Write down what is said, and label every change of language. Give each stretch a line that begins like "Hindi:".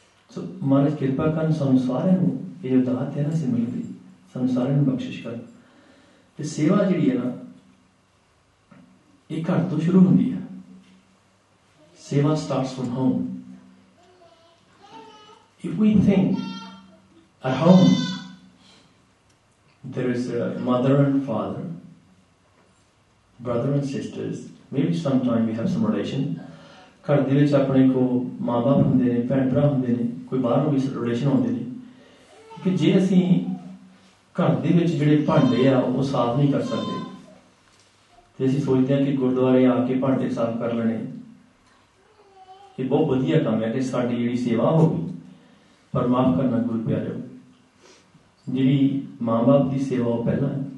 Punjabi: ਸੋ ਮਨ ਕਿਰਪਾ ਕਰਨ ਸਾਨੂੰ ਸਾਰਿਆਂ ਨੂੰ ਇਹ ਜੋ ਦਾਤ ਹੈ ਨਾ ਸਿਮਰਨ ਦੀ ਸਾਨੂੰ ਸਾਰਿਆਂ ਨੂੰ ਬਖਸ਼ਿਸ਼ ਕਰ ਅਤੇ ਸੇਵਾ ਜਿਹੜੀ ਹੈ ਨਾ ਇਹ ਘਰ ਤੋਂ ਸ਼ੁਰੂ ਹੁੰਦੀ ਹੈ
English: ਸੇਵਾ starts from home if we think at home There is a mother and father, brother and sisters. Maybe sometime we have some relation.
Punjabi: ਘਰ ਦੇ ਵਿੱਚ ਆਪਣੇ ਕੋਲ ਮਾਂ ਬਾਪ ਹੁੰਦੇ ਨੇ ਭੈਣ ਭਰਾ ਹੁੰਦੇ ਨੇ ਕੋਈ ਬਾਹਰੋਂ ਵੀ ਰਿਲੇਸ਼ਨ ਆਉਂਦੇ ਨੇ ਕਿਉਂਕਿ ਜੇ ਅਸੀਂ ਘਰ ਦੇ ਵਿੱਚ ਜਿਹੜੇ ਭਾਂਡੇ ਆ ਉਹ ਸਾਫ਼ ਨਹੀਂ ਕਰ ਸਕਦੇ ਅਤੇ ਅਸੀਂ ਸੋਚਦੇ ਹਾਂ ਕਿ ਗੁਰਦੁਆਰੇ ਆ ਕੇ ਭਾਂਡੇ ਸਾਫ਼ ਕਰ ਲੈਣੇ ਇਹ ਬਹੁਤ ਵਧੀਆ ਕੰਮ ਹੈ ਕਿ ਸਾਡੀ ਜਿਹੜੀ ਸੇਵਾ ਹੋ ਗਈ ਪਰ ਮਾਫ਼ ਕਰਨਾ ਗੁਰ ਪਿਆਰਿਓ ਜਿਹੜੀ ਮਾਂ ਬਾਪ ਦੀ ਸੇਵਾ ਉਹ ਪਹਿਲਾਂ